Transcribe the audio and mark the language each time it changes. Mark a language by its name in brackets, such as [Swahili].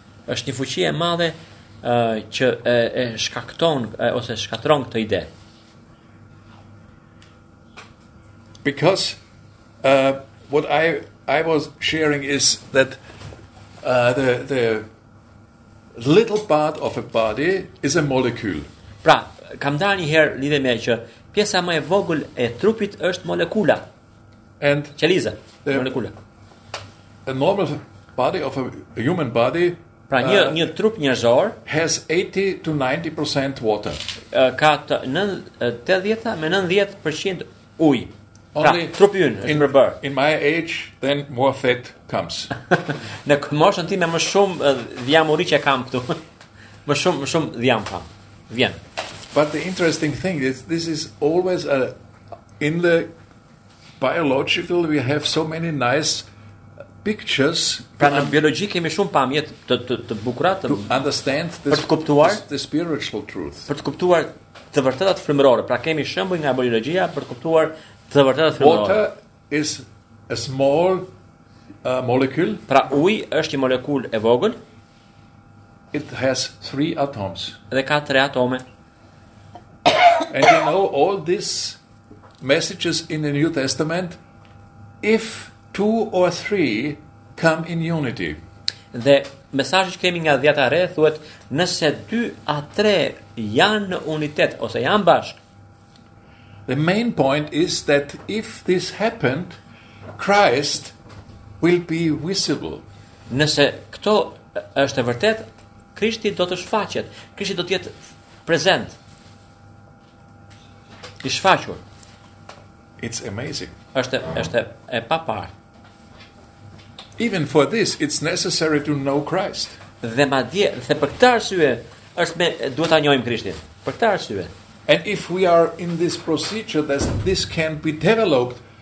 [Albanian] Është një fuqi e madhe që e shkakton ose shkatron këtë ide. [English] Because what I was sharing is that the little part of a body is a molecule. [Albanian] Pra, kam dhënë një herë lidhje me që pjesa më e vogël e trupit është molekula. [English] And [Albanian] qeliza, molekula. [English] A normal body of a human body, [Albanian] pra një trup njerëzor, [English] has 80 to 90% water. [Albanian] Ka 80 me 90% ujë. Pra trupi ynë është [English] I [Albanian] përbërë. [English] In my age then more fat comes. [Albanian] Në moshën time më shumë dhjamuri që kam këtu. më shumë dhjam kam. Vjen. [English] But the interesting thing is this is always in the biological we have so many nice pictures. [Albanian] Pra në biologji kemi shumë pamje të bukura [English] to understand this, [Albanian] për të kuptuar [English] the spiritual truth. [Albanian] Për të kuptuar të vërtetat frymërore, pra kemi shembuj nga biologjia për të kuptuar të vërtetat frymërore. [English] Water is a small molecule. [Albanian] Pra uji është një molekulë e vogël. [English] It has 3 atoms. [Albanian] Dhe ka 3 atome. [English] And you know all these messages in the New Testament, if 2 or 3 come in unity. [Albanian] Dhe mesazhi që kemi nga dhjetare thuhet nëse 2 a 3 janë në unitet ose janë bashk. [English] The main point is that if this happened, Christ will be visible. [Albanian] Nëse këto është e vërtet, Krishti do të shfaqet. Krishti do të jetë prezent. I shfaqur. [English] It's amazing. [Albanian] Është e paparë. [English] Even for this it's necessary to know Christ. [Albanian] Dhe madje se për këtë arsye është me duhet ta njohim Krishtin. Për këtë arsye. [English] And if we are in this procedure that this can be developed,